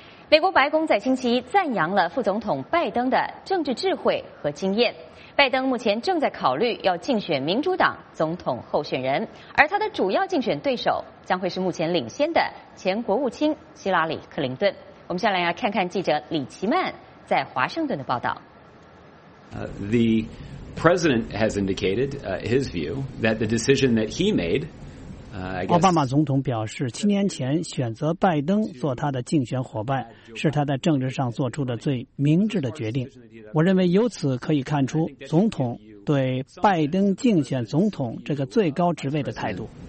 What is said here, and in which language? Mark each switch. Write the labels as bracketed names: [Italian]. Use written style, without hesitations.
[Chinese] 美国白宫在星期一赞扬了副总统拜登的政治智慧和经验。拜登目前正在考虑要竞选民主党总统候选人，而他的主要竞选对手将会是目前领先的前国务卿希拉里·克林顿。我们下来要看看记者李奇曼在华盛顿的报道。 [English] The president has indicated his view that the decision that he made。 [Chinese] 奥巴马总统表示，7年前选择拜登做他的竞选伙伴是他在政治上做出的最明智的决定。我认为由此可以看出总统对拜登竞选总统这个最高职位的态度。